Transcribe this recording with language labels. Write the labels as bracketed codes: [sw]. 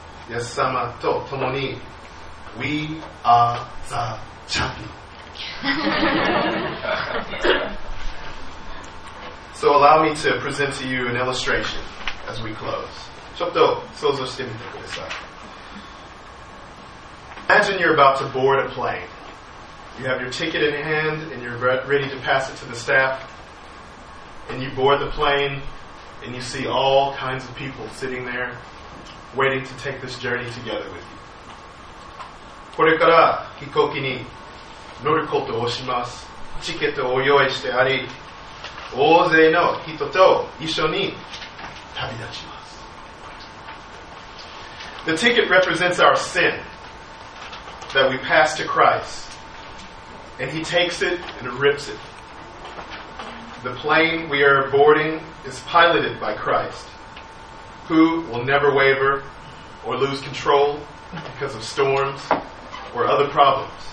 [ja] イエス様と共に [en] We are the champion. So allow me to present to you an illustration as we close. [ja] ちょっと想像してみてください。 [en] Imagine you're about to board a plane. You have your ticket in hand and you're ready to pass it to the staff. And you board the plane and you see all kinds of people sitting there waiting to take this journey together with you. [ja] これから飛行機に乗ることをします。チケットを用意してあり、大勢の人と一緒に旅立ちます。 [en] The ticket represents our sin that we pass to Christ, and He takes it and rips it. The plane we are boarding is piloted by Christ, who will never waver or lose control because of storms or other problems.